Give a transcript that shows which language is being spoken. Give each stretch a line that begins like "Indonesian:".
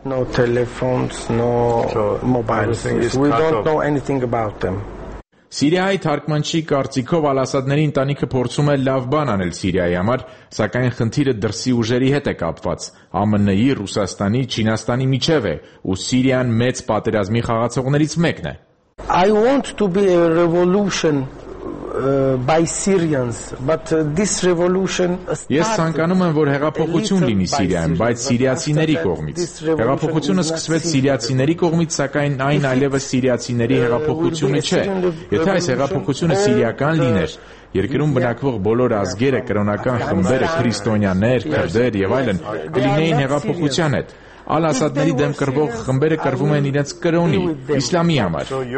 English: No telephones, no mobile. We don't know anything about them.
Armenian: Սիրիայի թարգմանչի կարծիքով Ալ-Ասադների ընտանիքը փորձում է լավ բան անել Սիրիայի համար, սակայն խնդիրը դրսի ուժերի հետ է կապված։ ԱՄՆ-ի, Ռուսաստանի, Չինաստանի միջև է, ու Սիրիան մեծ պատերազմի խաղացողներից մեկն է։
English: I want to be a revolution by Syrians, but this revolution started.
Armenian: Ես ցանկանում եմ, որ հեղափոխություն լինի Սիրիայում, բայց սիրիացիների կողմից։ Հեղափոխությունը սկսվեց սիրիացիների կողմից, սակայն այն այլևս սիրիացիների հեղափոխությունը չէ։ Եթե այս հեղափոխությունը սիրիական լիներ, երկրում բնակվող բոլոր ազգերը, կրոնական խմբերը, քրիստոնյաներ, քրդեր եւ այլն, կլինեին հեղափոխության հետ։ Ալ-Ասադների դեմ կրվող խմբերը կրվում են իրենց կրոնի, իսլամի համար։